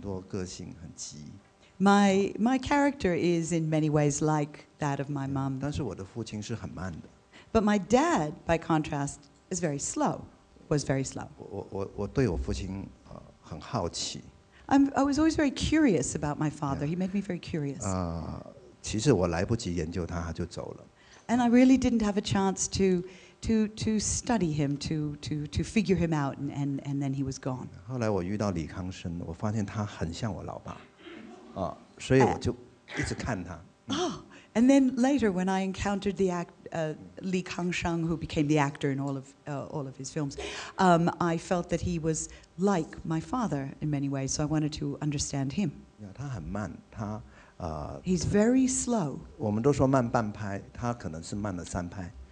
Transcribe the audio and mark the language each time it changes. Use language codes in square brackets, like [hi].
[zh] 这是我妈妈，我觉得我比较像我妈妈，很多个性很急。My [en] character is in many ways like that of my mom. [zh] 但是我的父亲是很慢的。But [en] my dad, by contrast, is very slow. Was very slow. [zh] 我对我父亲很好奇。I [en] was always very curious about my father. He made me very curious. [zh] 其实我来不及研究他，他就走了。And [en] I really didn't have a chance to study him, to figure him out, and then he was gone. [zh] 后来我遇到李康生，我发现他很像我老爸，所以我就一直看他。And [en] then later, when I encountered the Li Kangsheng, who became the actor in all of his films, I felt that he was like my father in many ways, so I wanted to understand him. [zh] Yeah, 他很慢，他， [en] He's very slow. [zh] 我们都说慢半拍，他可能是慢了三拍。